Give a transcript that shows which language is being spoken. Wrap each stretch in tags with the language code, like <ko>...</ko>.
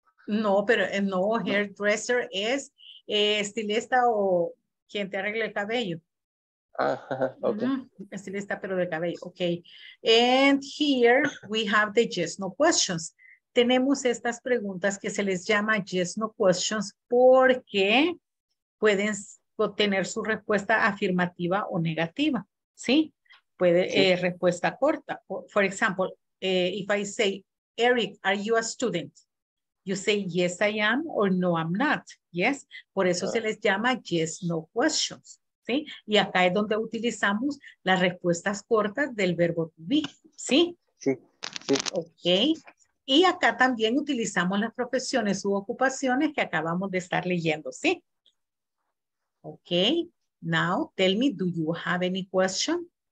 <es>No, pero no, hairdresser es estilista o quien te arregla el cabello. Ah, okay. Mm-hmm. Estilista, pero de cabello. Okay.</es> <en>And here we have the yes, no questions.</en> <es>Tenemos estas preguntas que se les llama yes, no questions porque pueden obtener su respuesta afirmativa o negativa. ¿Sí? Puede, sí. Respuesta corta.</es> <en>For example, if I say, Eric, are you a student? You say, yes, I am, or no, I'm not.</en> <es>Yes. Por eso se les llama yes, no questions. ¿Sí? Y acá es donde utilizamos las respuestas cortas del verbo to be. ¿Sí? Sí. Sí. Ok. Y acá también utilizamos las profesiones u ocupaciones que acabamos de estar leyendo. ¿Sí? Ok.</es> <en>Now, tell me, do you have any question?</en>